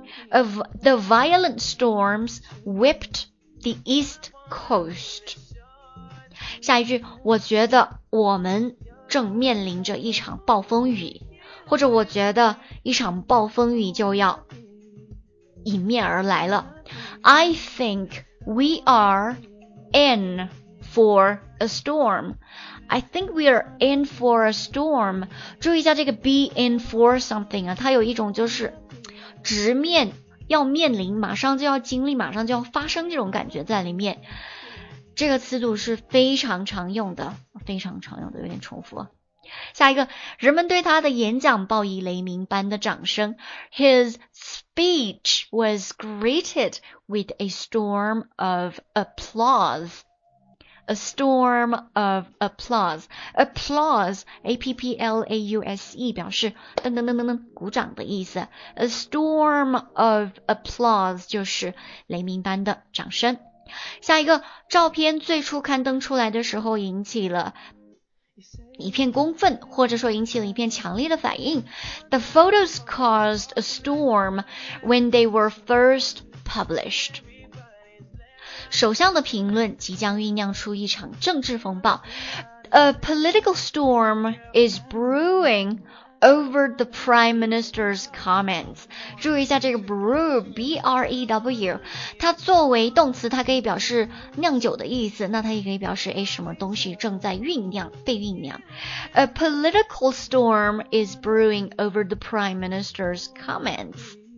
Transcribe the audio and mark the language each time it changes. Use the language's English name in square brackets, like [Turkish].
[English] The violent storms whipped the east coast. [Chinese] 下一句，我觉得我们正面临着一场暴风雨。或者我觉得一场暴风雨就要迎面而来了。 [English] I think we are in for a storm. I think we are in for a storm. [Chinese] 注意一下这个 be in for something 啊，它有一种就是直面，要面临，马上就要经历，马上就要发生这种感觉在里面。这个词组是非常常用的，非常常用的，有点重复啊。下一个，人们对他的演讲报以雷鸣般的掌声。 [English] His speech was greeted with a storm of applause. a storm of applause. Applause, A-P-P-L-A-U-S-E, [Chinese] 表示噔噔噔噔噔鼓掌的意思。 A storm of applause 就是雷鸣般的掌声。下一个，照片最初刊登出来的时候引起了一片公愤，或者说引起了一片强烈的反应。 [English] The photos caused a storm when they were first published. [Chinese] 首相的评论即将酝酿出一场政治风暴。 [English] A political storm is brewing over the Prime Minister's comments. [Chinese] 注意一下这个 brew, B-R-E-W, 它作为动词它可以表示酿酒的意思，那它也可以表示什么东西正在酝酿，被酝酿。 [English] A political storm is brewing over the Prime Minister's comments.